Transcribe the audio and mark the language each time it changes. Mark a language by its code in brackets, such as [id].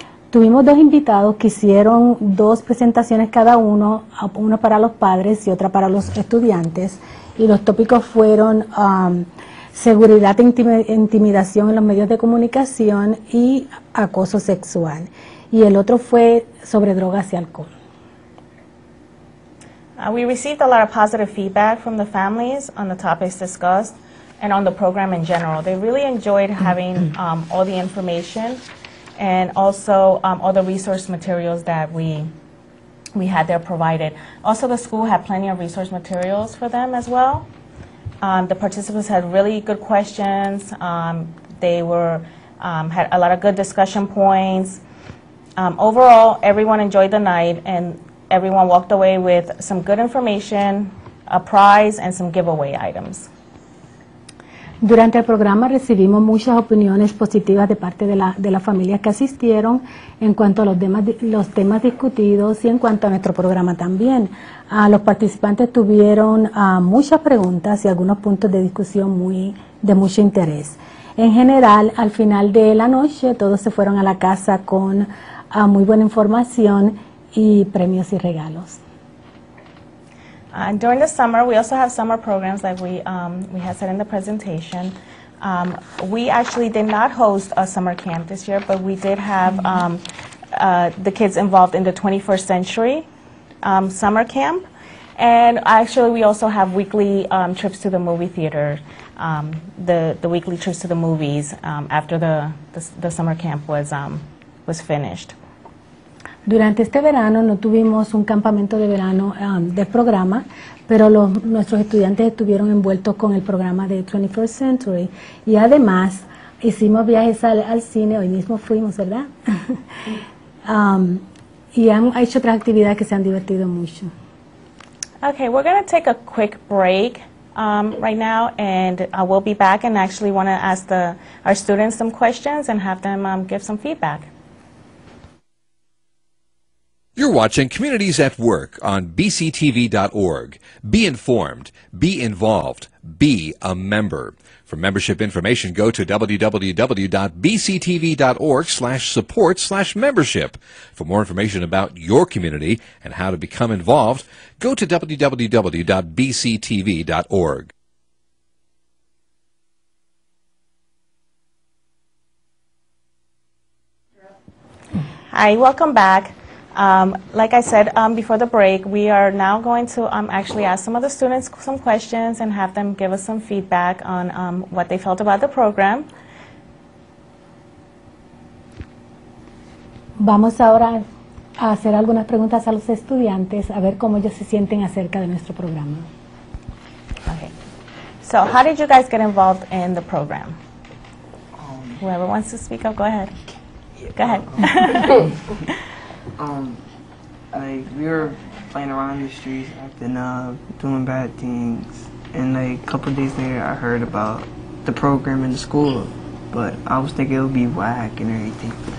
[es] Tuvimos dos invitados que hicieron dos presentaciones cada uno, una para los padres y otra para los estudiantes. Y los tópicos fueron seguridad e intimidación en los medios de comunicación y acoso sexual. Y el otro fue sobre drogas y alcohol. [en] We received a lot of positive feedback from the families on the topics discussed and on the program in general. They really enjoyed having all the information and also all the resource materials that we had there provided. Also, the school had plenty of resource materials for them as well. The participants had really good questions. They were had a lot of good discussion points. Overall, everyone enjoyed the night, and everyone walked away with some good information, a prize, and some giveaway items. [es] Durante el programa recibimos muchas opiniones positivas de parte de la familia que asistieron en cuanto a los temas discutidos y en cuanto a nuestro programa también. Los participantes tuvieron muchas preguntas y algunos puntos de discusión de mucho interés. En general, al final de la noche, todos se fueron a la casa con muy buena información y premios y regalos. [en] And during the summer, we also have summer programs like we had said in the presentation. We actually did not host a summer camp this year, but we did have the kids involved in the 21st century summer camp. And actually, we also have weekly trips to the movie theater, the weekly trips to the movies after the summer camp was finished. [es] Durante este verano no tuvimos un campamento de verano de programa, pero nuestros estudiantes estuvieron envueltos con el programa de 21st Century. Y además, hicimos viajes al cine, hoy mismo fuimos, ¿verdad? Y han hecho otras actividades que se han divertido mucho. [en] Okay, we're going to take a quick break. right now, and I will be back and actually want to ask our students some questions and have them give some feedback. You're watching Communities at Work on bctv.org. Be informed, be involved, be a member. For membership information, go to www.bctv.org/support/membership. For more information about your community and how to become involved, go to www.bctv.org. Hi, welcome back. Like I said before the break, we are now going to actually ask some of the students some questions and have them give us some feedback on what they felt about the program. [es] Vamos ahora a hacer algunas preguntas a los estudiantes a ver cómo ellos se sienten acerca de nuestro programa. [en] Okay. So, how did you guys get involved in the program? Whoever wants to speak up, go ahead. Go ahead. We were playing around the streets, acting up, doing bad things, and like a couple of days later I heard about the program in the school, but I was thinking it would be whack and everything.